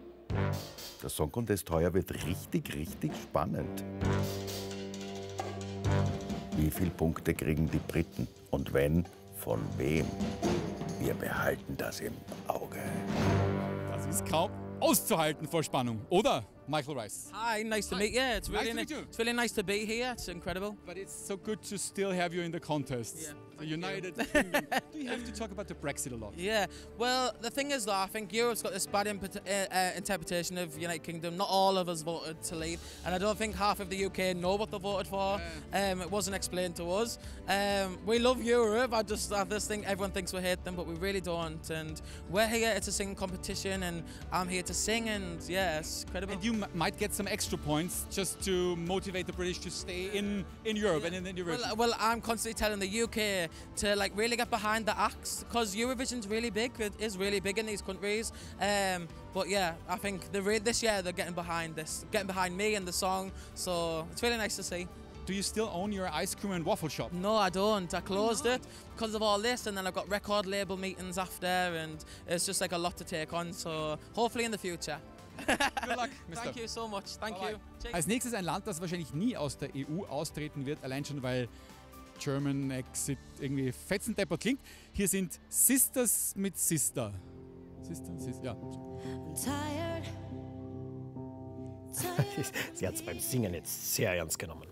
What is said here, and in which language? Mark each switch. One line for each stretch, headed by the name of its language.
German: Der Song Contest heuer wird richtig, richtig spannend. Wie viele Punkte kriegen die Briten? Und wenn, von wem? Wir behalten das im Auge. Das ist kaum auszuhalten vor Spannung, oder, Michael Rice?
English: Hi, nice to meet you. Yeah, it's really nice to be here. It's incredible. But it's so good to still have you in the contest. Yeah, the United Kingdom. Do you have to talk about the Brexit a lot? Yeah, well, the thing is though, I think Europe's got this bad interpretation of United Kingdom. Not all of us voted to leave, and I don't think half of the UK know what they voted for. It wasn't explained to us. We love Europe. I just have this thing, everyone thinks we hate them, but we really don't. And we're here, it's a singing competition, and I'm here to sing, and yeah, it's incredible. And you might get some extra points just to motivate the British to stay in Europe, yeah. And in Eurovision. Well, I'm constantly telling the UK to like really get behind the acts, because Eurovision's really big. It is really big in these countries. But yeah, I think this year they're getting behind this, getting behind me and the song. So it's really nice to see. Do you still own your ice cream and waffle shop? No, I don't. I closed it because of all this, and then I've got record label meetings after, and it's just like a lot to take on. So hopefully in the future. Good luck, Mister. Thank you so much. Thank Bye-bye. You. Check.
German: Als nächstes ein Land, das wahrscheinlich nie aus der EU austreten wird, allein schon weil
English: German Exit
German: irgendwie fetzendeppert klingt. Hier sind Sisters mit Sister. Sie hat es beim Singen jetzt sehr ernst genommen.